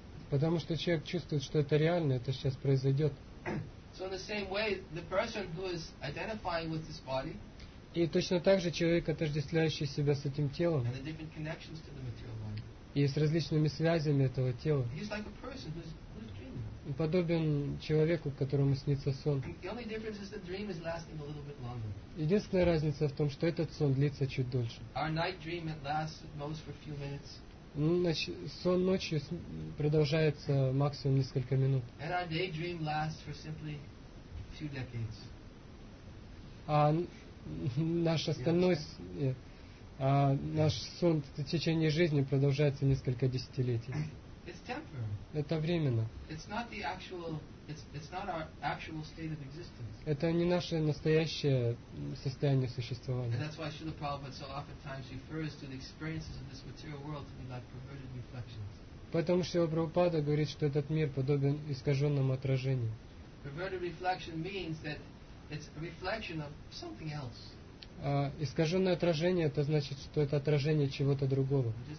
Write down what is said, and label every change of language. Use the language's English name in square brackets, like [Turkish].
[Russian] Потому что человек чувствует, что это реально, это сейчас произойдет. [English] So in the same way, the person who is identifying with this body, [Russian] и точно так же человек, отождествляющий себя с этим телом, [English] and the different connections to the material body, [Russian] и с различными связями этого тела, [English] he's like a person who's dreaming. [Russian] Подобен человеку, которому снится сон. [English] The only difference is the dream is lasting a little bit longer. [Russian] Единственная разница в том, что этот сон длится чуть дольше. [English] Our night dream lasts most for a few minutes. [Russian] Сон ночью продолжается максимум несколько минут. [English] And our daydream lasts for simply a few decades. [Russian] А наш остальной, наш сон в течение жизни продолжается несколько десятилетий. [English] It's temporary. [Russian] Это временно. [English] It's not the actual, it's not our actual state of existence. [Russian] Это не наше настоящее состояние существования. [English] And that's why Srila Prabhupada so oftentimes refers to the experiences of this material world to be like perverted reflections. [Russian] Поэтому Шрила Прабхупада говорит, что этот мир подобен искаженному отражению. [English] Perverted reflection means that it's a reflection of something else. [Russian] Искаженное отражение, это значит, что это отражение чего-то другого.